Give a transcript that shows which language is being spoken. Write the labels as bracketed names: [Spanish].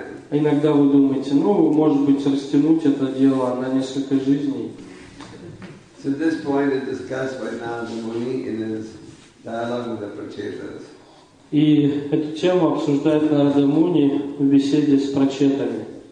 [Russian] Иногда вы думаете, ну, может быть, растянуть это дело на несколько жизней. [English] So this point is discussed by Narada Muni in his dialogue with the Prachetas. [Russian] И эту тему обсуждает Нарада Муни в беседе с Прачетами.